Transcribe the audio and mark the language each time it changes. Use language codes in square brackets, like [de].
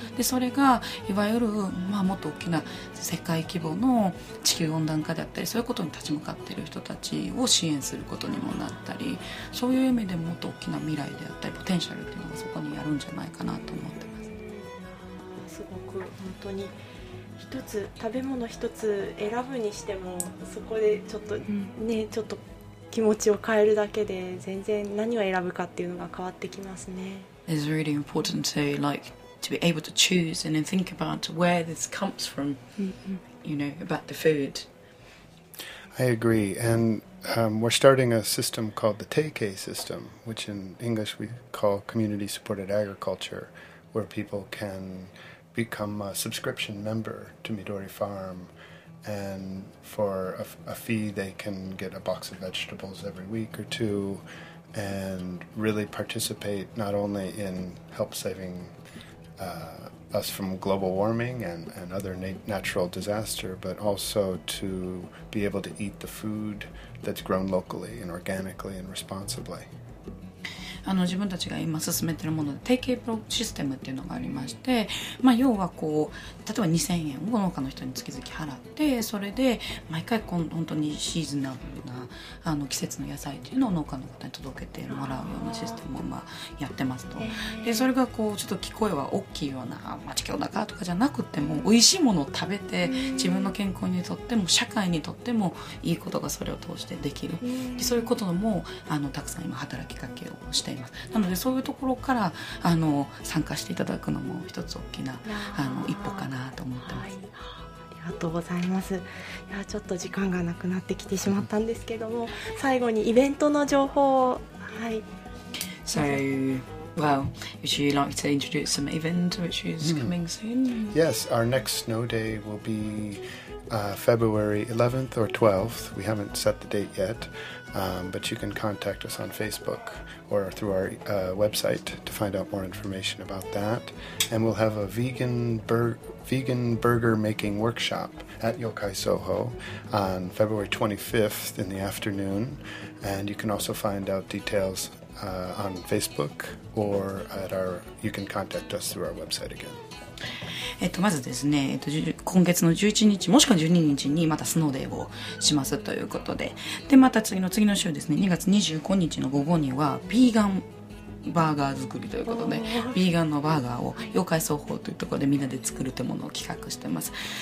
[ja] でそれがいわゆる、まあ、もっと大きな世界規模の地球温暖化であったり、そういうことに立ち向かっている人たちを支援することにもなったり、そういう意味でもっと大きな未来であったりポテンシャルっていうのがそこにあるんじゃないかなと思ってます。すごく本当に一つ食べ物一つ選ぶにしても、そこでちょっと、ね、ちょっと気持ちを変えるだけで全然何を選ぶかっていうのが変わってきますね。 [en] It's really important to like to be able to choose and then think about where this comes from, you know, about the food. I agree, and we're starting a system called the Teike system, which in English we call community supported agriculture, where people can become a subscription member to Midori Farm. And for a fee, they can get a box of vegetables every week or two and really participate not only in help saving us from global warming and other natural disaster, but also to be able to eat the food that's grown locally and organically and responsibly. [ja] 自分たちが今進めているもので定型プロシステムっていうのがありまして、まあ、要はこう例えば2000円を農家の人に月々払って、それで毎回本当にシーズナブルな季節の野菜っていうのを農家の方に届けてもらうようなシステムをまあやってますと。でそれがこうちょっと聞こえは大きいような町家の中とかじゃなくても、美味しいものを食べて自分の健康にとっても社会にとってもいいことがそれを通してできる。でそういうこともたくさん今働きかけをしています。なのでそういうところから参加していただくのも一つ大きな一歩かなと思ってます。ありがとうございます。いやちょっと時間がなくなってきてしまったんですけども、最後にイベントの情報を、はい、 [en] So, well, would you like to introduce some event which is coming soon? Yes, our next snow day will be February 11th or 12th. We haven't set the date yet, but you can contact us on Facebook or through our website to find out more information about that. And we'll have a vegan burger making workshop at Yokai Soho on February 25th in the afternoon. And you can also find out details on Facebook or at our, you can contact us through our website again. [ja] まずですね、今月の11日もしくは12日にまたスノーデーをしますということで、でまた次の週ですね、2月25日の午後にはビーガンバーガー作りということで、ビーガンのバーガーを妖怪奏法というところでみんなで作るというものを企画しています。